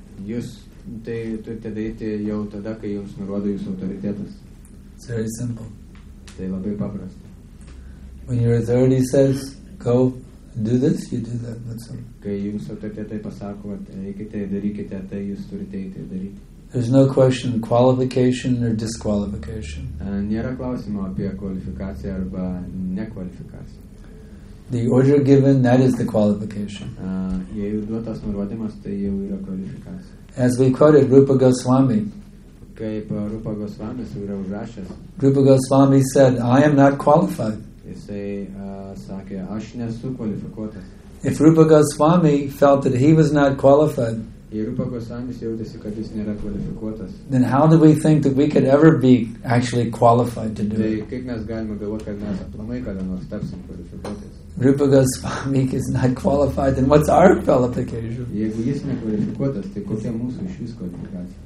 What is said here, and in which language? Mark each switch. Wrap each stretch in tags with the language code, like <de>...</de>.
<lt>Jūs tai turite daryti jau tada, kai jums nurodo jūsų autoritetas.</lt> <en>It's very simple.</en> <lt>Tai labai paprasta.</lt> <en>When your authority says, go, do this, you do that. That's all.</en> <lt>Kai jums autoritetai pasako, eikite, darykite, tai jūs turite eiti daryti.</lt> <en>There's no question of qualification or disqualification.</en> <lt>Nėra klausimo apie kvalifikaciją arba nekvalifikaciją.</lt> <en>The order given, that is the qualification.</en> <lt>Jeigu duotas nurodymas, tai jau yra kvalifikacija.</lt> <en>As we quoted Rupa Goswami.</en> <lt>Kaip Rupa Goswami yra užrašęs.</lt> <en>Rupa Goswami said, I am not qualified.</en> <lt>Jisai sakė, aš nesu kvalifikuotas.</lt> <en>If Rupa Goswami felt that he was not qualified, then how do we think that we could ever be actually qualified to do it? Rupa Goswami is not qualified, then what's our qualification?</en>